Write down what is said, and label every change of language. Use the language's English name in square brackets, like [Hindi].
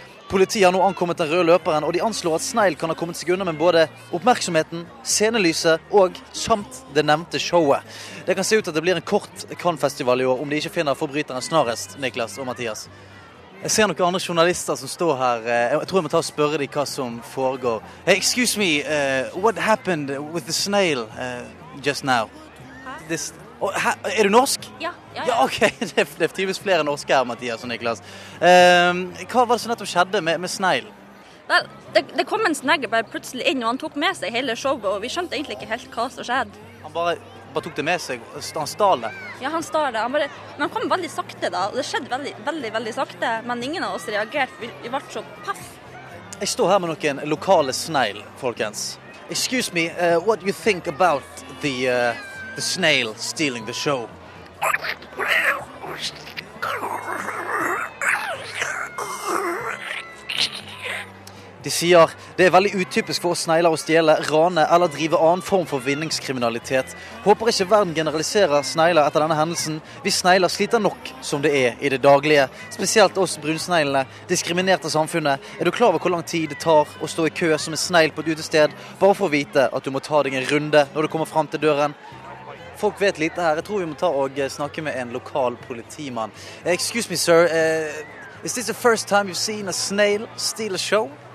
[Norwegian] Politiet har nå ankommet den røde løperen, og de anslår at snegl kan ha kommet seg unna med både oppmerksomheten, scenelyset og samt det nevnte showet. Det kan se ut at det blir en kort Cannes-festival i år, om de ikke finner forbryteren snarest, Niklas og Mathias. Jeg ser noen andre journalister som står her. Jeg tror jeg må ta og spørre dem hva som foregår. [English] Hey, excuse me, what happened with the snail just now? [Norwegian] Er du norsk? Ja, ok. Det er typisk flere norske her, Mathias og Niklas. Hva var det som nettopp skjedde med snegl? Det kom en snegl bare plutselig inn, og han tok med seg hele showet, og vi skjønte egentlig ikke helt hva som skjedde. Han bare tok det med seg, han stal det? Ja, han stal det. Men han kom veldig sakte da, og det skjedde veldig, veldig, veldig sakte, men ingen av oss reagerte, vi ble så paff. Jeg står her med noen lokale snegl, folkens. [English] Excuse me, what do you think about the snail stealing the show? [Norwegian] De sier det er veldig utypisk for oss snegler å stjele, rane eller drive annen form for vinningskriminalitet. Håper ikke verden generaliserer snegler etter denne hendelsen. Vi snegler sliter nok som det er i det daglige. Spesielt oss brunsneglene, diskriminerte samfunnet. Er du klar over hvor lang tid det tar å stå i kø som en snegl på et utested? Bare for å vite at du må ta deg en runde når du kommer frem til døren. Folk vet lite her. Jeg tror vi må ta og snakke med en lokal politimann. [English] Excuse me, sir. Is this the first time you've seen a snail steal a show?